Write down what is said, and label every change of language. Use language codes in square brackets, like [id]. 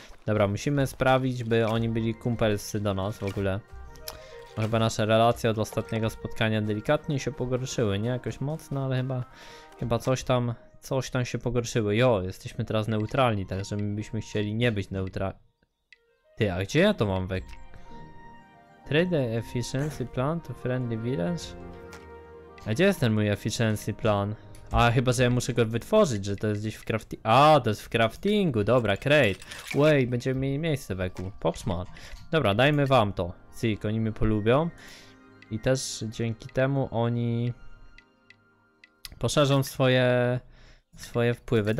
[pl] Dobra, musimy sprawić, by oni byli kumpelscy do nas w ogóle. Bo chyba nasze relacje od ostatniego spotkania delikatnie się pogorszyły. Nie jakoś mocno, ale chyba... Chyba coś tam się pogorszyło. Jo, jesteśmy teraz neutralni, także my byśmy chcieli nie być neutralni. Ty, a gdzie ja to mam we... [en] Trade efficiency plan to friendly village? [pl] A gdzie jest ten mój efficiency plan? A chyba, że ja muszę go wytworzyć, że to jest gdzieś w craftingu. A, to jest w craftingu, dobra, crate. Wej, będziemy mieli miejsce w eku. Popsman. Dobra, dajmy wam to. Cyk, oni mnie polubią. I też dzięki temu oni... Poszerzą swoje wpływy.